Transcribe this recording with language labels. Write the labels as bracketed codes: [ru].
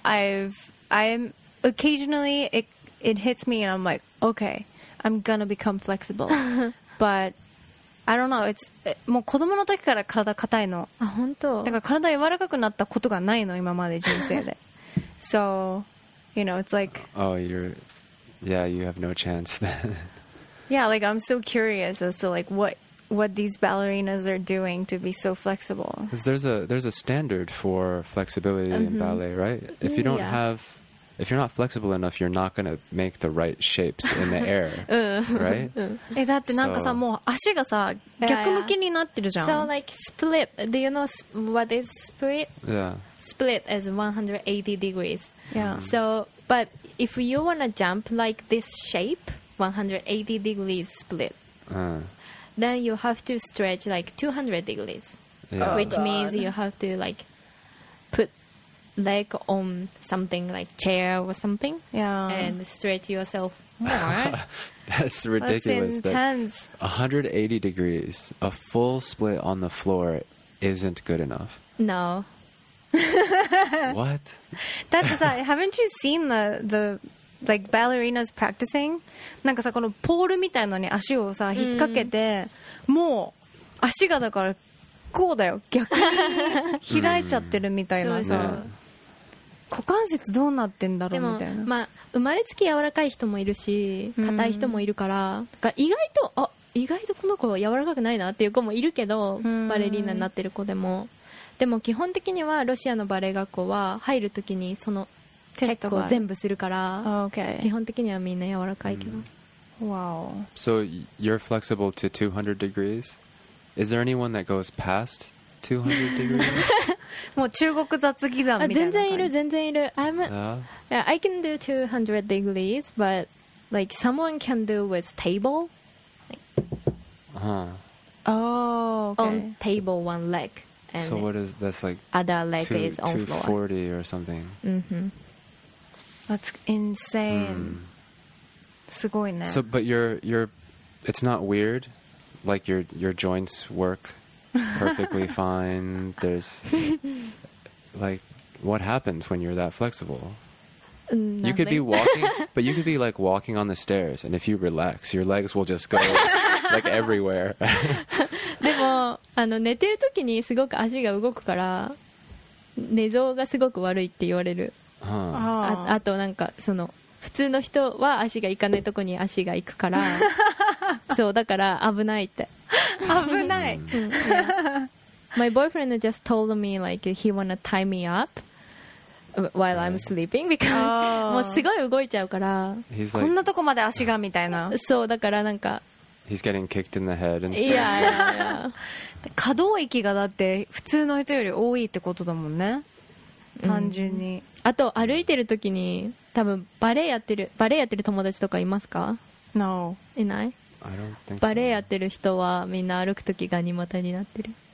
[en] I'm occasionally it hits me and I'm like, okay, I'm gonna become flexible. But I don't know. It's [ja] もう子供の時から体硬いの。あ、本当。だから体柔らかくなったことがないの、今まで人生で。 [en] So, you know, it's like. Oh, you're. Yeah, you have no chance then. Yeah, like I'm so curious as to like what these ballerinas are doing to be so flexible. Because there's a standard for flexibility mm-hmm. in ballet, right? If you don't yeah. have, if you're not flexible enough, you're not going to make the right shapes in the air, right? [ja] え、だってなんかさ、もう足がさ、逆向きになってるじゃん。 [en] So like split, do you know what is split? Yeah. Split is 180 degrees. Yeah. Mm-hmm. So... But if you want to jump like this shape, 180 degrees split, then you have to stretch like 200 degrees, yeah. which means you have to like put leg on something like chair or something and stretch yourself more. That's ridiculous. That's intense. 180 degrees, a full split on the floor isn't good enough. No. What? That's like, haven't you seen the like ballerinas practicing? [ja] なんかさ、このポールみたいなのに足をさ、引っ掛けて、もう足がだからこうだよ、逆に開いちゃってるみたいなさ、股関節どうなってんだろうみたいな。でも、まあ、生まれつき柔らかい人もいるし、硬い人もいるから、だから意外と、あ、意外とこの子柔らかくないなっていう子もいるけど、バレリーナになってる子でも。でも基本的にはロシアのバレエ学校は入るときにそのチェックを全部するから、 [en] okay. [ja] 基本的にはみんな柔らかいけど、 [en] wow. So you're flexible to 200 degrees? Is there anyone that goes past 200 degrees? [ja] もう中国雑技団みたいな感じ。全然いる全然いる。 [en] I'm a, yeah, I can do 200 degrees but like someone can do with table、 uh-huh. oh, okay. on table one legleg. And so what is that's like other leg two, is on 240 floor. Or something. Mm-hmm. That's insane. [ja] すごいね。 [en] So but you're it's not weird, like your joints work perfectly fine. There's like what happens when you're that flexible? Nothing. You could be walking, but you could be like walking on the stairs, and if you relax, your legs will just go like everywhere. [ja] でもあの寝てる時にすごく足が動くから寝相がすごく悪いって言われる、 huh. あとなんかその普通の人は足が行かないとこに足が行くからそうだから危ないって危ない、 [en] うん yeah. My boyfriend just told me like he wanna tie me up while I'm sleeping because、oh. [ja] もうすごい動いちゃうから、 like、こんなとこまで足がみたいなそうだからなんか [en] He's getting kicked in the head and stuff. Yeah, yeah, yeah. [ja] 可動域がだって普通の人より多いってことだもんね。単純に。あと歩いてる時に多分バレエやってる友達とかいますか [en] ？No, [ja] いない。 [en] I don't think so. [ja] バレエやってる人はみんな歩く時ガニ股になってる。